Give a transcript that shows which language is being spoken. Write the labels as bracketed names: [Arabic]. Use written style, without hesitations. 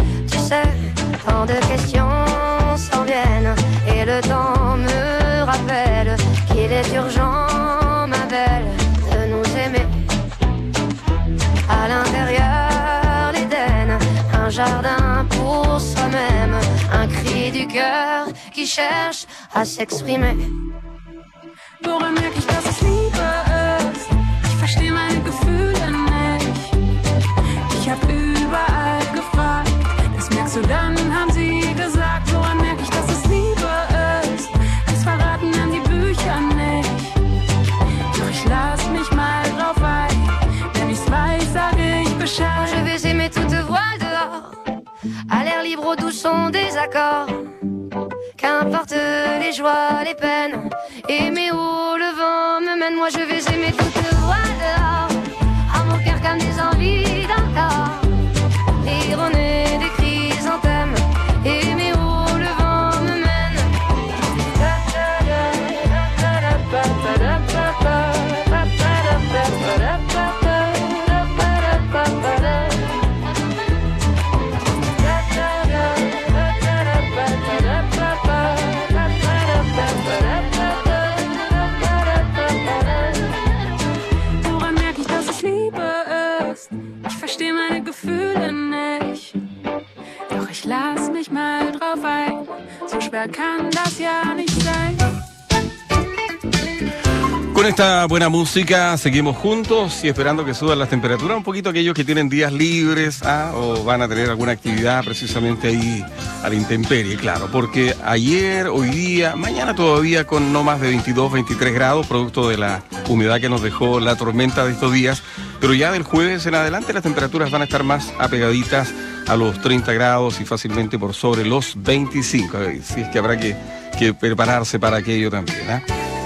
[French] Tu sais, tant de questions s'en viennent et le temps me rappelle qu'il est urgent, ma belle, de nous aimer. À l'intérieur, l'Éden, un jardin pour soi-même, un cri du cœur qui cherche à s'exprimer. Pour un mec, je passe [German] Liebe ist, ich verstehe meine Gefühle nicht. Ich hab überall gefragt, das merkst du dann, haben sie gesagt. [French] Pour un mec, [German] ich passe es Liebe ist, das verraten dann die Bücher nicht. Doch ich lass mich mal drauf ein. [French] Je vais aimer toute voix dehors, à l'air libre, au doux son des accords. Qu'importe les joies, les peines, aimer où le vent me mène. Moi je vais aimer toute voix dehors, à mon cœur comme des envies d'un corps. Ironie des chrysanthèmes, aimer où le vent me mène. [German] Mal drauf ein, so schwer kann das ja nicht sein. [Spanish] Con esta buena música seguimos juntos y esperando que suban las temperaturas un poquito aquellos que tienen días libres, ¿ah?, o van a tener alguna actividad precisamente ahí a la intemperie, claro, porque ayer, hoy día, mañana todavía con no más de 22, 23 grados producto de la humedad que nos dejó la tormenta de estos días, pero ya del jueves en adelante las temperaturas van a estar más apegaditas a los 30 grados y fácilmente por sobre los 25, así es que habrá que prepararse para aquello también, ¿ah?